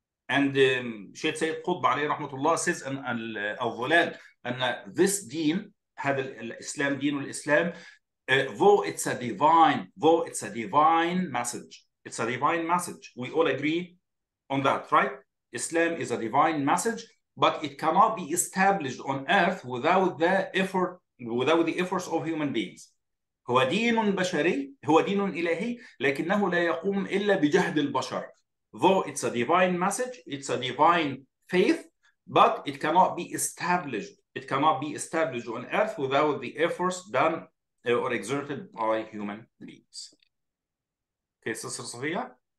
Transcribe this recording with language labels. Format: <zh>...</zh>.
<en>And Shaykh Sayyid Qutb alayhi rahmatullah says in Al-Dhulal, and this deen, Islam, deen al-Islam, though it's a divine message, we all agree on that, right? Islam is a divine message, but it cannot be established on earth without the efforts of human beings.</en> <ar>هو دين بشري, هو دين إلهي, لكنه لا يقوم إلا بجهد البشر.</ar> <en>Though it's a divine message, it's a divine faith, but it cannot be established. It cannot be established on earth without the efforts done or exerted by human beings. Okay, Sister Sophia?</en>